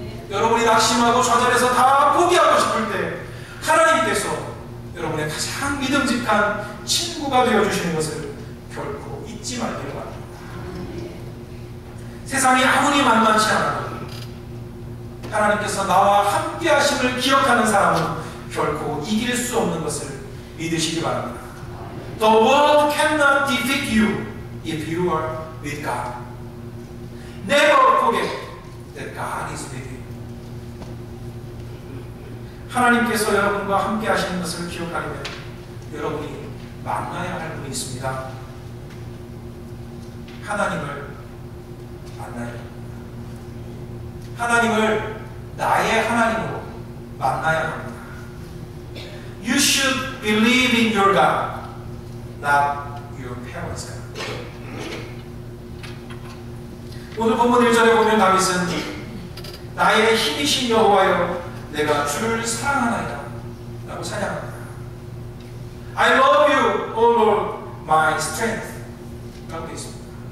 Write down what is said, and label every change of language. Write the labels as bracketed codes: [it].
[ko] 여러분이 낙심하고 좌절해서 다 포기하고 싶을 때 하나님께서 여러분의 가장 믿음직한 친구가 되어주시는 것을 결코 잊지 말기 바랍니다. 세상이 아무리 만만치 않아도 하나님께서 나와 함께 하심을 기억하는 사람은 결코 이길 수 없는 것을 믿으시기 바랍니다. [en] The world cannot defeat you if you are with God. Never forget that God is with you. [ko] 하나님께서 여러분과 함께 하시는 것을 기억하려면 여러분이 만나야 할 분이 있습니다. 하나님을 만나야 합니다. 하나님을 나의 하나님으로 만나야 합니다. [en] You should believe in your God, not your parents' God. [ko] 오늘 본문 1절에 보면 다윗은 나의 힘이신 여호와여 내가 주를 사랑하나이다 라고 찬양합니다. [en] I love you, O Lord, my strength. [ko] 라고 했습니다.